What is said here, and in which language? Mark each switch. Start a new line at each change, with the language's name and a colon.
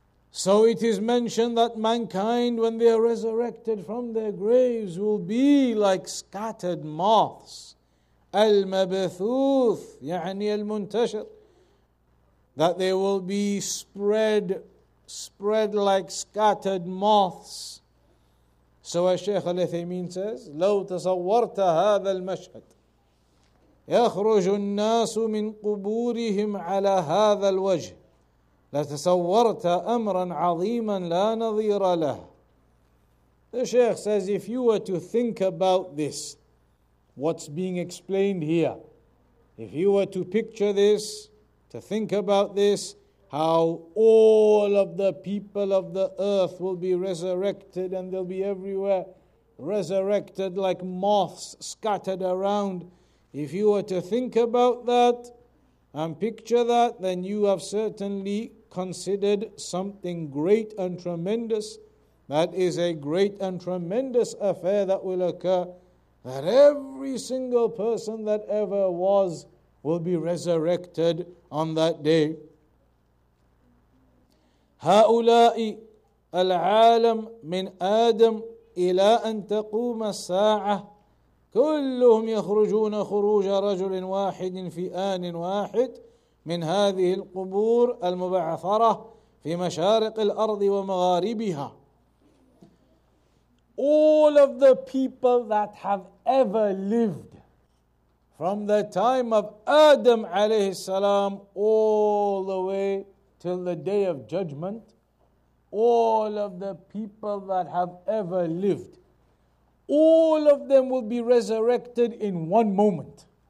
English: So it is mentioned that mankind, when they are resurrected from their graves, will be like scattered moths. Al-mabathuth,
Arabic: يعني المنتشر.
English: That they will be spread like scattered moths. So as Shaykh Al-Uthaymeen says,
Arabic: لو تصورت هذا المشهد يخرج الناس من قبورهم على هذا الوجه لتصورت أمرا عظيما لا نظير له.
English: The Shaykh says, if you were to think about this, what's being explained here, if you were to picture this, to think about this, how all of the people of the earth will be resurrected and they'll be everywhere resurrected like moths scattered around. If you were to think about that and picture that, then you have certainly considered something great and tremendous. That is a great and tremendous affair that will occur, that every single person that ever was will be resurrected on that day.
Arabic: هؤلاء العالم من آدم إلى أن تقوم الساعة كلهم يخرجون خروج رجل واحد في آن واحد من هذه القبور المبعثرة في مشارق الأرض ومغاربها.
English: All of the people that have ever lived from the time of Adam alayhi salam all the way till the day of judgment, all of the people that have ever lived, all of them will be resurrected in one moment.